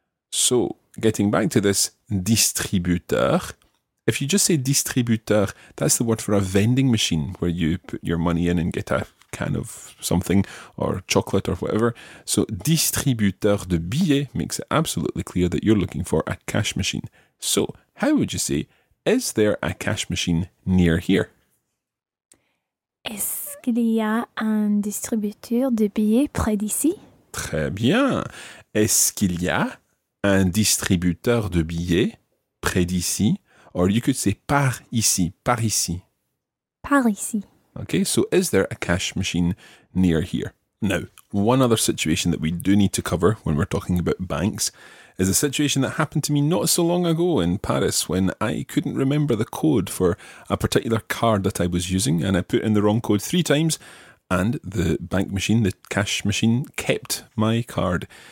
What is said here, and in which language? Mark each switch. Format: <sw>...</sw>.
<en>So, getting back to this distributeur, if you just say distributeur, that's the word for a vending machine where you put your money in and get a can of something or chocolate or whatever. So,</en> <fr>distributeur de billets</fr> <en>makes it absolutely clear that you're looking for a cash machine. So, how would you say, is there a cash machine near here?</en> <fr>Est-ce qu'il y a un distributeur de billets près d'ici? Très bien. Est-ce qu'il y a un distributeur de billets près d'ici?</fr> <en>Or you could say</en> <fr>par ici, par ici. Par ici.</fr> <en>Okay, so is there a cash machine near here? Now, one other situation that we do need to cover when we're talking about banks is a situation that happened to me not so long ago in Paris when I couldn't remember the code for a particular card that I was using and I put in the wrong code 3 times and the bank machine, the cash machine, kept my card.</en>